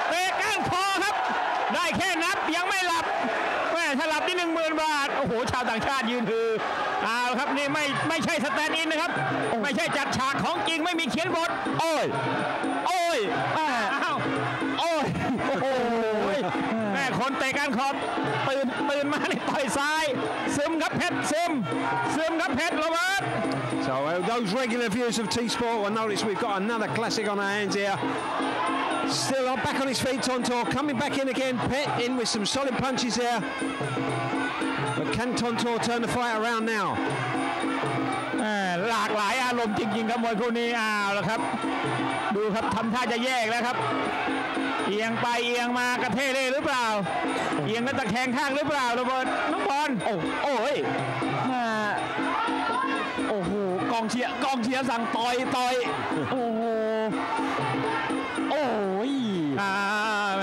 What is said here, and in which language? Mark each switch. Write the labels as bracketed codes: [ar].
[th] เตะก้านคอครับได้แค่นับยังไม่หลับแม่ถ้าหลับนี่ 10,000 บาทโอ้โหชาวต่างชาติยืนคือเอาครับนี่ไม่ใช่สแตนด์อินนะครับไม่ใช่จัดฉากของจริงไม่มีเขียนบท โอ้ยโอ้ยโอ้ย โอ้ยแม่คนเตะกันคอตื่นมาในต่อยซ้ายซึมครับเพชรซึมครับเพชรระวัง [en] So those regular viewers of T Sport will notice we've got another classic on our hands here still on back on his feet Tontor coming back in again Pet in with some solid punches there but can Tontor turn the fight around now [th] หลากหลายอารมณ์จริงๆครับมวยคู่นี้อ้าวแล้วครับดูครับทำท่าจะแยกแล้วครับเอียงไปเอียงมากระเทเลยหรือเปล่าเอียงกันตะแคงข้างหรือเปล่าระเบิดน้องบอล โอ้ยโอ้โหกองเชียร์สั่งต่อยโอ้โหโอ้ย